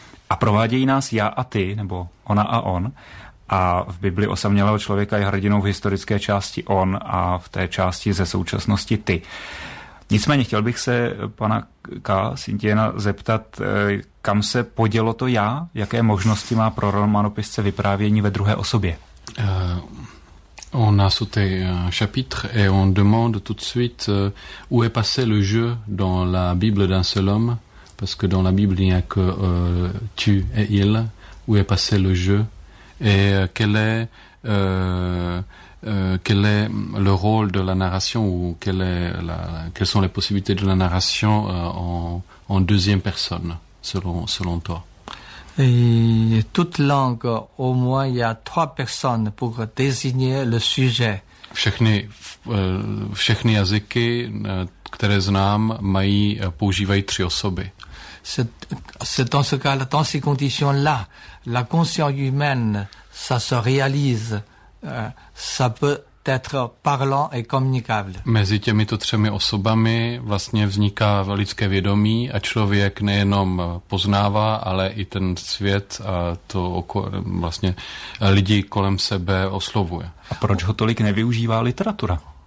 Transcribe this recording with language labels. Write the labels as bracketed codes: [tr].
[cs] A provádějí nás já a ty, nebo ona a on, a v Bibli osamělého člověka je hrdinou v historické části on a v té části ze současnosti ty. Nicméně chtěl bych se pana K. Sintiena zeptat, kam se podělo to já, jaké možnosti má pro romanopisce vyprávění ve druhé osobě? [fr] On a sauté un chapitre et on demande tout de suite où est passé le je dans la Bible d'un seul homme, parce que dans la Bible il n'y a que tu et il, où est passé le je et quel est le rôle de la narration ou quelles sont les possibilités de la narration en deuxième personne selon toi? Et toute langue, au moins, il y a trois personnes pour désigner le sujet. [cs] Všechny jazyky, které znám, mají používají tři osoby. [fr] C'est dans ce cas, dans ces conditions-là, la conscience humaine, ça se réalise, ça peut être parlant et communicable. [cs] Mezi těmito třemi osobami vlastně vzniká lidské vědomí a člověk nejenom poznává, ale i ten svět a to vlastně lidi kolem sebe oslovuje. A proč ho tolik nevyužívá literatura?